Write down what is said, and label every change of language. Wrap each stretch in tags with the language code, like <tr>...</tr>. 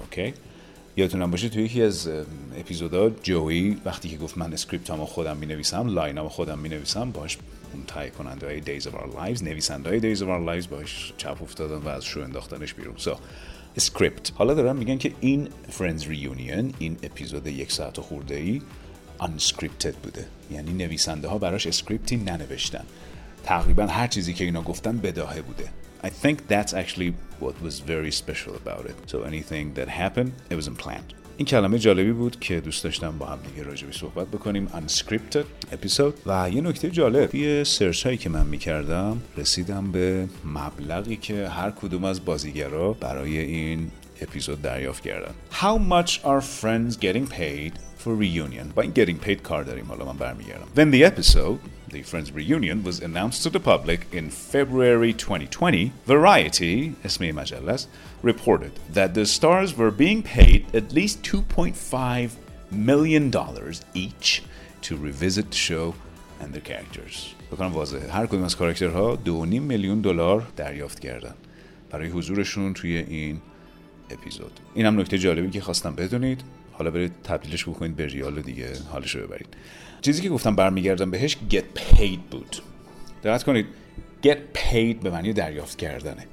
<fa>اوکی؟ یادتونم باشه توی یکی از اپیزودا جوی وقتی که گفت من سکریپت هم خودم مینویسم، لاین هم خودم مینویسم، باش اون تایی کننده های Days of Our Lives، نویسنده های Days of Our Lives باش چپ افتادن و از شو انداختنش بیرون.</fa> <en>So, script.</en> <fa>حالا دارن میگن که این Friends Reunion، این اپیزود یک ساعت خورده ای unscripted بوده، یعنی نویسنده ها براش scripti ننوشتن، تقریبا هر چیزی که اینا گفتن بداهه بوده.</fa> <en>I think that's actually what was very special about it. So anything that happened, it was unplanned.</en> <fa>این کلمه جالبی بود که دوست داشتم با هم دیگه راجع به صحبت بکنیم،</fa> <en>unscripted episode.</en> <fa>و یه نکته جالب، یه سرچ هایی که من میکردم رسیدم به مبلغی که هر کدوم از بازیگرها برای این اپیزود دریافت کردن.</fa> <en>How much are friends getting paid for reunion؟</en> <fa>با این getting paid کار داریم، حالا من برمیگردم.</fa> <en>When the episode, the Friends Reunion, was announced to the public in February 2020, Variety,</en> <fa>اسم این مجله است،</fa> <en>reported that the stars were being paid at least $2.5 million each to revisit the show and their characters.</en> <fa>بکنم واضحه، هر کدوم از کاراکترها $2.5 million دریافت کردن برای حضورشون توی این اپیزود. این هم نکته جالبی که خواستم بدونید، حالا برید تبدیلش بکنید به ریال و دیگه حالش رو ببرید. چیزی که گفتم برمیگردم بهش get paid بود. دقت کنید، get paid به معنی دریافت کردنه.</fa>